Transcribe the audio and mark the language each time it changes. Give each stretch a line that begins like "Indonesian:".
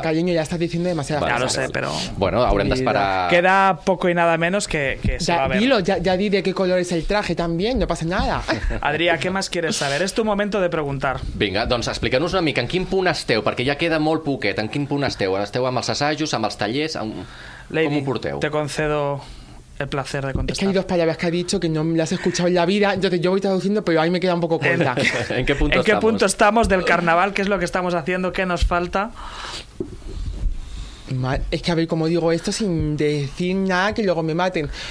Spanish: Cariño, ya estás diciendo demasiadas cosas. Ya lo sé, pero... Bueno, ahora andas para... Queda poco y nada menos que se ya, va a ver. Dilo, ya di de qué color es el traje también, no pasa nada. Adrià, ¿qué más quieres saber? Es tu momento de preguntar.
Catalan: Vinga, doncs explica'ns una mica en quin punt esteu, perquè ja queda molt poquet. En quin punt esteu? Esteu amb els assajos, amb els tallers? Lady, com ho porteu?
Spanish: Te concedo... el placer de contestar. Es que hay dos palabras que ha dicho que no las he escuchado en la vida, entonces yo voy traduciendo, pero ahí me queda un poco corta. ¿En qué punto estamos del carnaval? ¿Qué es lo que estamos haciendo? ¿Qué nos falta? Es que a ver, ¿cómo digo esto sin decir nada que luego me maten?